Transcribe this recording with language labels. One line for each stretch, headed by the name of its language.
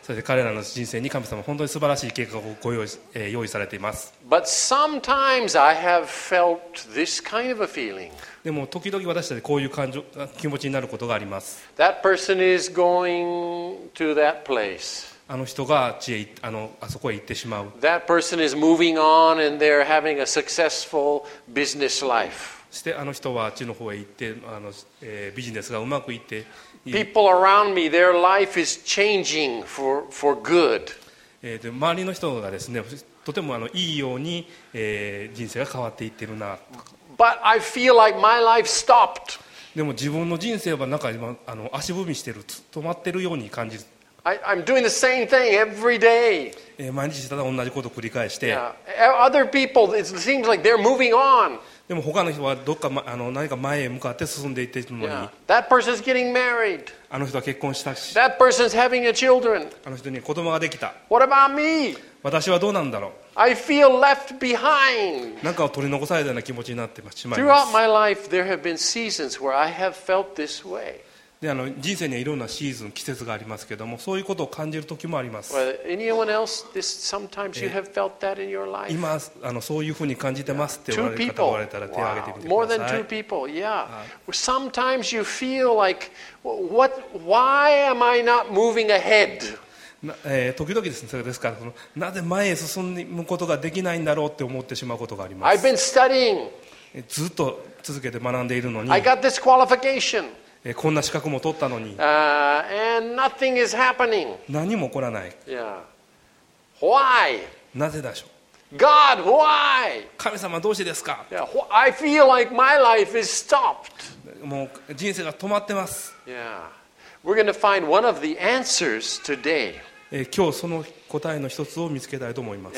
Japanese: そして彼らの人生に神様は本当に素晴らしい計画をご用意されています。
English: But sometimes I have felt this kind of a feeling.
Japanese: でも時々私たちこういう感情、気持ちになることがあります。
English: That person is going to that place.
Japanese: あの人が地へ、あそこへ行ってしまう。
English: That person is moving on and they're having a successful business life.
Japanese: そしてあの人は地の方へ行って、ビジネスがうまくいって。
English: People around me, their life is changing for good.
Japanese: 周りの人がですね、とてもいいように、人生が変わっていってるな。
English: But I feel like my life stopped.
Japanese: でも自分の人生はなんか今足踏みしてる、止まってるように感じる。
English: I'm doing the same thing every day.
Japanese: 毎日ただ同じことを繰り返して。
English: Yeah. Other people, it seems like they're moving on.
Japanese: でも他の人はどっか、何か前へ向かって進んでいっているのに。
English: Yeah. That person's getting married.
Japanese: あの人は結婚したし。
English: That person's having a children.
Japanese: あの人に子供ができた。
English: What about me?
Japanese: 私はどうなんだろう。
English: I feel left behind.
Japanese: なんか取り残されたような気持ちになってしまいます。
English: Throughout my life, there have been seasons where I have felt this way.
Japanese: で人生にはいろんなシーズン、季節がありますけれども、そういうことを感じる時もあります。
English: Anyone else, this, sometimes you have felt that in your life.
Japanese: 今そういうふうに感じてますって言われる方がおられたら手を挙げてみてください。
English: Wow. More than two people, yeah. Sometimes you feel like, what, why am I not moving ahead?
Japanese: 時々ですね、それですから、なぜ前へ進むことができないんだろうって思ってしまうことがあります。
English: I've been studying.
Japanese: ずっと続けて学んでいるのに。
English: I got this qualification.
Japanese: こんな資格も取ったのに、
English: and nothing is happening.
Japanese: 何も起こらない。
English: Yeah. Why?
Japanese: なぜでしょう。
English: God, why?
Japanese: 神様どうしてですか。
English: Yeah. I feel like my life is stopped.
Japanese: もう人生が止まってます。
English: Yeah. We're going to find one of the answers today.
Japanese: 今日その答えの一つを見つけたいと思います。